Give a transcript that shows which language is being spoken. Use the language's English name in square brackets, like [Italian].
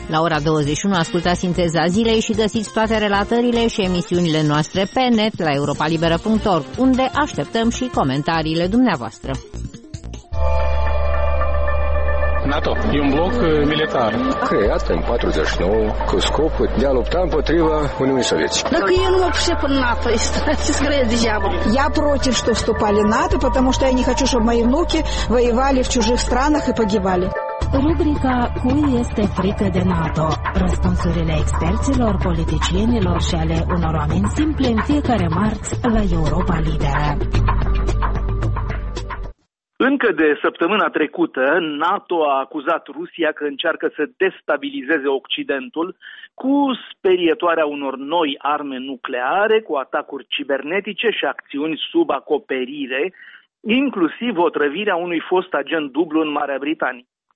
[Romanian] La ora 21 ascultați sinteza zilei și găsiți toate relatările și emisiunile noastre pe net la europalibera.org, unde așteptăm și comentariile dumneavoastră. NATO? E un bloc militar. Creat în 49, cu scopul de a lupta împotriva Uniunii Sovietice. Dacă eu nu mă pricep în NATO, este scris degeaba. [Russian] Я против, что вступали НАТО, потому что я не хочу, чтобы мои внуки воевали в чужих странах и погибали. [Romanian] Rubrica Cui este frică de NATO? Răspunsurile experților, politicienilor și ale unor oameni simple în fiecare marți la Europa Liberă. Încă de săptămâna trecută, NATO a acuzat Rusia că încearcă să destabilizeze Occidentul cu sperietoarea unor noi arme nucleare, cu atacuri cibernetice și acțiuni sub acoperire, inclusiv otrăvirea unui fost agent dublu în Marea Britanie.